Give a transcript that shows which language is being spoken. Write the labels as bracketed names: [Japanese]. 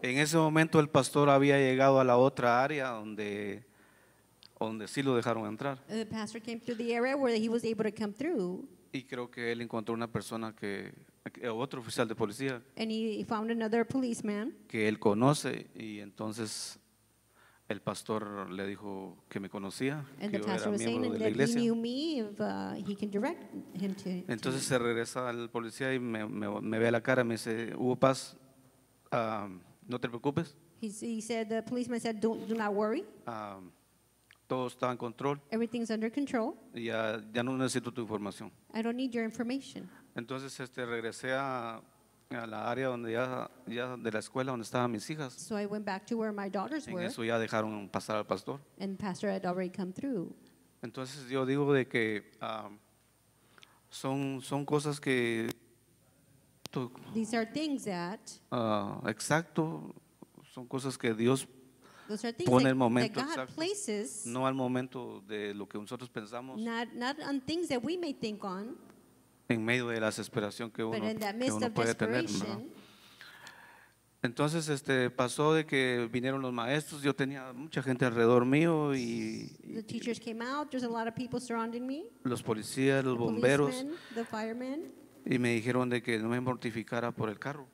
[Spanish] En ese momento el pastor había llegado a la otra área donde sí lo dejaron entrar. [English] The pastor came through the area where he was able to come through. [Spanish] Y creo que él encontró una persona que otro oficial de policía. [English] And he found another policeman. [Spanish] Que él conoce y entonces el pastor le dijo que me conocía, [English] and [Spanish] que yo era miembro de la iglesia. [English] He knew me if, he can direct him to, [Spanish] entonces se regresa al policía y me ve a la cara y me dice, hubo paz, no te preocupes. [English] He said, the policeman said, do not worry. [Spanish] Todo está en control. [English] Everything's under control. [Spanish] Y ya no necesito tu información. [English] I don't need your information. [Spanish] Entonces regresé a la área donde ya de la escuela donde estaban mis hijas. [English] So I went back to where my daughters were. [Spanish] En eso ya dejaron pasar al pastor. [English] And pastor had already come through. [Spanish] Entonces yo digo de que son cosas que [English] tú, these are things that [Spanish] exacto son cosas que Dios pone el momento exacto, [English] places, [Spanish] no al momento de lo que nosotros pensamos, [English] not on things that we may think on, [Spanish] en medio de la desesperación que uno puede tener, ¿no? Entonces pasó de que vinieron los maestros, yo tenía mucha gente alrededor mío y [English] the teachers came out, there's a lot of people surrounding me, [Spanish] los policías, los bomberos, [English] the firemen, [Spanish] y me dijeron de que no me mortificara por el carro.